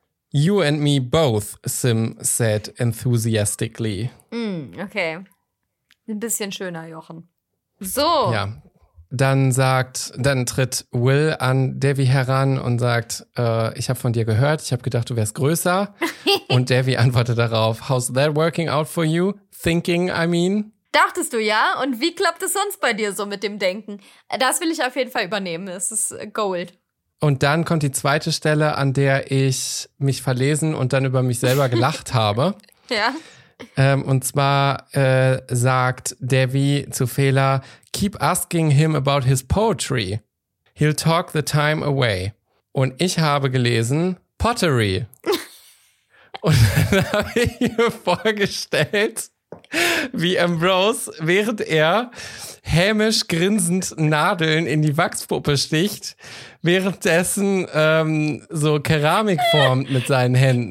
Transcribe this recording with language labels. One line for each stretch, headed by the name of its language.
English: You and me both, Sim said enthusiastically. Okay.
German: Ein bisschen schöner, Jochen. So. Ja. Dann tritt Will an Devi heran und sagt, ich habe von dir gehört, ich habe gedacht, du wärst größer. Und Devi antwortet darauf,
English: how's that working out for you? Thinking, I mean.
German: Dachtest du ja? Und wie klappt es sonst bei dir so mit dem Denken? Das will ich auf jeden Fall übernehmen, es ist Gold. Und dann kommt die zweite Stelle, an der ich mich verlesen und dann über mich selber gelacht habe. Ja. Und zwar sagt Devi zu Fela,
English: keep asking him about his poetry. He'll talk the time away.
German: Und ich habe gelesen, pottery. Und dann habe ich mir vorgestellt, wie Ambrose, während er hämisch grinsend Nadeln in die Wachspuppe sticht, währenddessen so Keramik formt mit seinen Händen.